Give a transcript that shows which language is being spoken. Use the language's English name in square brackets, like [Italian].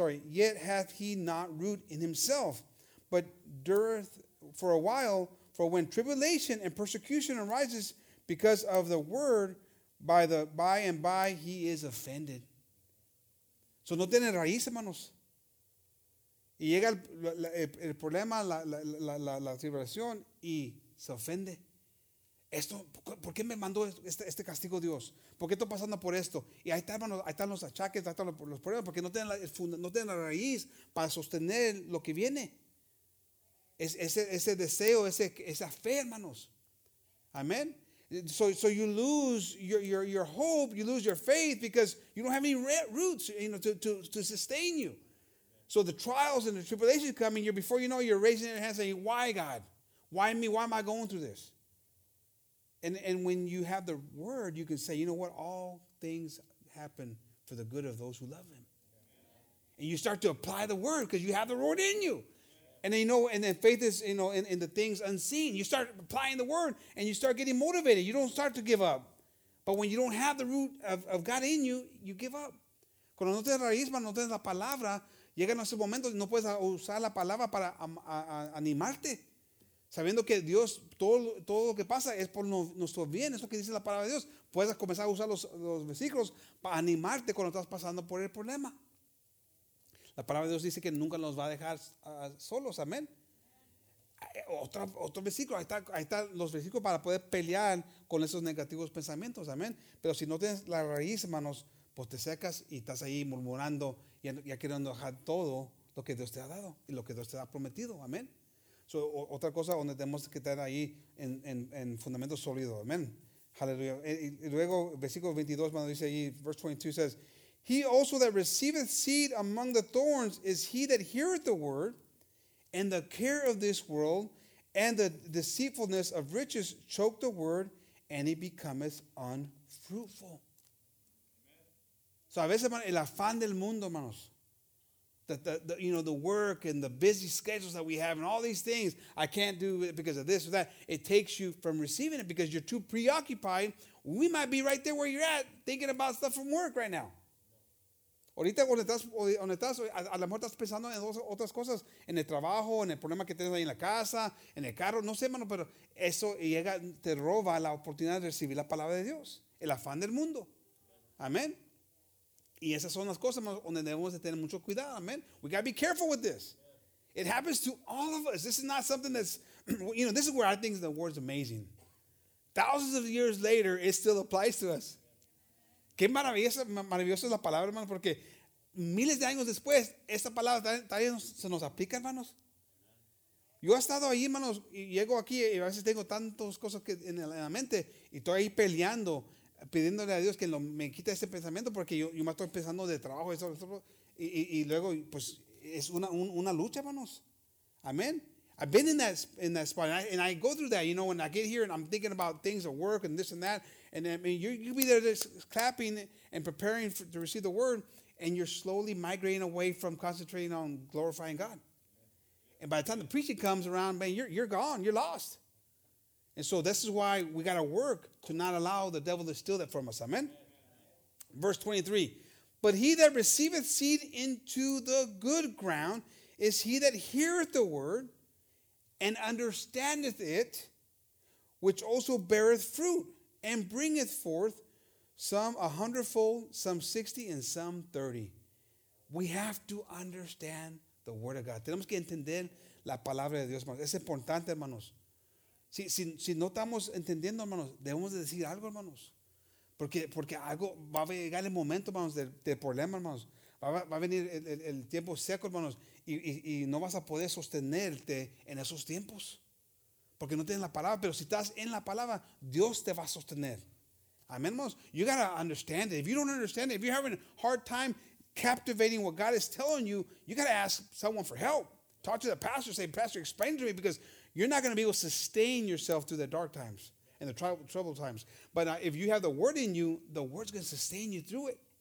[English] Yet hath he not root in himself, but dureth for a while. For when tribulation and persecution arises because of the word, By and by, he is offended. [Spanish] So no tiene raíz, hermanos. Y llega el problema, la tribulación, y se ofende. Esto, ¿por qué me mandó este castigo Dios? ¿Por qué estoy pasando por esto? Y ahí está, hermanos, ahí están los achaques, ahí están los problemas, porque no tienen la raíz para sostener lo que viene. Ese deseo, esa fe, hermanos. Amén. [English] So you lose your hope, you lose your faith because you don't have any roots, you know, to sustain you. So the trials and the tribulations coming, you're, before you know, you're raising your hands saying, why, God? Why me? Why am I going through this? And when you have the word, you can say, you know what? All things happen for the good of those who love him. And you start to apply the word because you have the word in you. And then, you know, and then faith is, you know, in the things unseen. You start applying the word and you start getting motivated. You don't start to give up. But when you don't have the root of God in you, you give up. [Spanish] Cuando no tienes raíz, no tienes la palabra, llegan esos momentos y no puedes usar la palabra para animarte. Sabiendo que Dios, todo lo que pasa es por nuestro bien, es lo que dice la palabra de Dios. Puedes comenzar a usar los versículos para animarte cuando estás pasando por el problema. La palabra de Dios dice que nunca nos va a dejar solos, amén. Otro versículo, ahí está los versículos para poder pelear con esos negativos pensamientos, amén. Pero si no tienes la raíz, hermanos, pues te secas y estás ahí murmurando y ya queriendo dejar todo lo que Dios te ha dado y lo que Dios te ha prometido, amén. So, otra cosa donde tenemos que estar ahí en fundamento sólido, amén. Aleluya. Y luego, versículo 22, hermano, dice ahí, [English] verse 22 says, he also that receiveth seed among the thorns is he that heareth the word, and the care of this world and the deceitfulness of riches choke the word, and it becometh unfruitful. Amen. So [Spanish] a veces, hermano, el afán del mundo, hermanos, [English] the work and the busy schedules that we have and all these things, I can't do it because of this or that, it takes you from receiving it because you're too preoccupied. We might be right there where you're at thinking about stuff from work right now. [Spanish] Ahorita donde estás, a lo mejor estás pensando en otras cosas, en el trabajo, en el problema que tienes ahí en la casa, en el carro, no sé, hermano, pero eso llega, te roba la oportunidad de recibir la palabra de Dios, el afán del mundo. Amén. Y esas son las cosas, hermano, donde debemos de tener mucho cuidado. [English] Amén. We got to be careful with this. It happens to all of us. This is not something that's, you know, this is where I think the word's amazing. Thousands of years later, it still applies to us. [Spanish] Qué maravillosa es la palabra, hermano, porque miles de años después, esta palabra todavía se nos aplica, hermanos. Yo he estado ahí, hermanos, y llego aquí y a veces tengo tantas cosas que en la mente y estoy ahí peleando, pidiéndole a Dios que me quite ese pensamiento porque yo me estoy pensando de trabajo, eso, y luego, pues, es una lucha, hermanos. Amén. [English] I've been in that spot, and I go through that, you know, when I get here and I'm thinking about things at work and this and that, and I mean, you'll be there just clapping and preparing to receive the word, and you're slowly migrating away from concentrating on glorifying God. And by the time the preaching comes around, man, you're gone, you're lost. And so this is why we got to work to not allow the devil to steal that from us, amen? Verse 23, but he that receiveth seed into the good ground is he that heareth the word, and understandeth it, which also beareth fruit, and bringeth forth some 100-fold, some 60, and some 30. We have to understand the word of God. [Spanish] Tenemos que entender la palabra de Dios, hermanos. Es importante, hermanos. Si no estamos entendiendo, hermanos, debemos de decir algo, hermanos. Porque algo va a llegar el momento, hermanos, del problema, hermanos. Va a venir el tiempo seco, hermanos, y no vas a poder sostenerte en esos tiempos porque no tienes la palabra. Pero si estás en la palabra, Dios te va a sostener. Amén, hermanos. [English] You got to understand it. If you don't understand it, if you're having a hard time captivating what God is telling you, you got to ask someone for help. Talk to the pastor. Say, pastor, explain to me, because you're not going to be able to sustain yourself through the dark times and the troubled times. But if you have the word in you, the word's going to sustain you through it.